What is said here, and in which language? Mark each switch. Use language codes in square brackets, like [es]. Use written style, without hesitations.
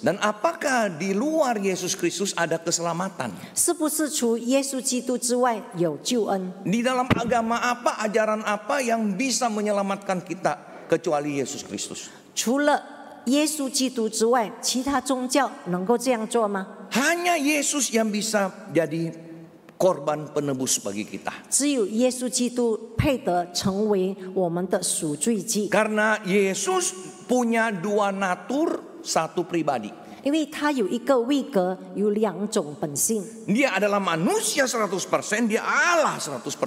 [id] Dan apakah di luar Yesus Kristus ada keselamatan? [zh] 是不是除耶稣基督之外有救恩? [id] Di dalam agama apa, ajaran apa yang bisa menyelamatkan kita kecuali Yesus Kristus? [zh] 除了耶稣基督之外，其他宗教能够这样做吗? [id] Hanya Yesus yang bisa jadi korban penebus bagi kita. [zh] 只有耶稣基督配得成为我们的赎罪祭. [id] Karena Yesus punya dua natur, satu pribadi. [zh] 因为他有一个位格，有两种本性. [id] Dia adalah manusia 100%, dia Allah 100%.